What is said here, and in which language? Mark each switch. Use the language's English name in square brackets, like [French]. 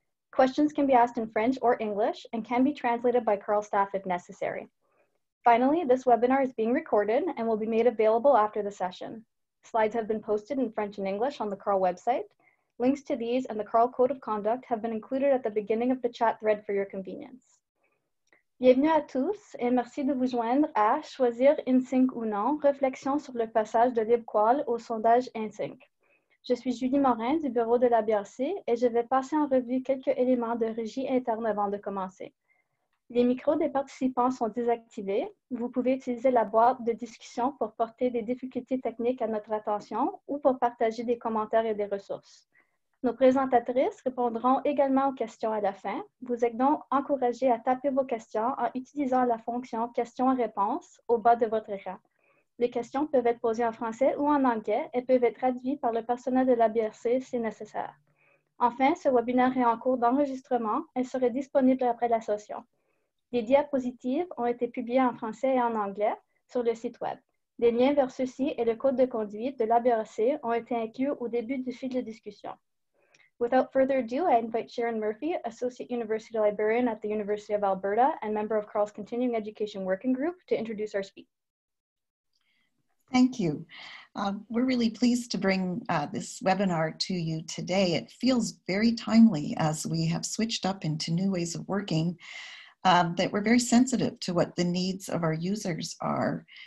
[English] Questions can be asked in French or English and can be translated by Carl staff if necessary. Finally, this webinar is being recorded and will be made available after the session. Slides have been posted in French and English on the Carl website. Links to these and the Carl Code of Conduct have been included at the beginning of the chat thread for your convenience. [French] Bienvenue à tous et merci de vous joindre à Choisir Insync ou non, réflexion sur le passage de LibQUAL au sondage Insync. Je suis Julie Morin du bureau de la BRC et je vais passer en revue quelques éléments de régie interne avant de commencer. Les micros des participants sont désactivés. Vous pouvez utiliser la boîte de discussion pour porter des difficultés techniques à notre attention ou pour partager des commentaires et des ressources. Nos présentatrices répondront également aux questions à la fin. Vous êtes donc encouragés à taper vos questions en utilisant la fonction « questions-réponses » au bas de votre écran. Les questions peuvent être posées en français ou en anglais et peuvent être traduites par le personnel de la BRC si nécessaire. Enfin, ce webinaire est en cours d'enregistrement et sera disponible après la session. Les diapositives ont été publiées en français et en anglais sur le site web. Des liens vers ceux-ci et le code de conduite de la BRC ont été inclus au début du fil de discussion. [English] Without further ado, I invite Sharon Murphy, Associate University Librarian at the University of Alberta and member of Carl's Continuing Education Working Group, to introduce our speaker. Thank you. We're really pleased to bring this webinar to you today. It feels very timely as we have switched up into new ways of working, that we're very sensitive to what the needs of our users are.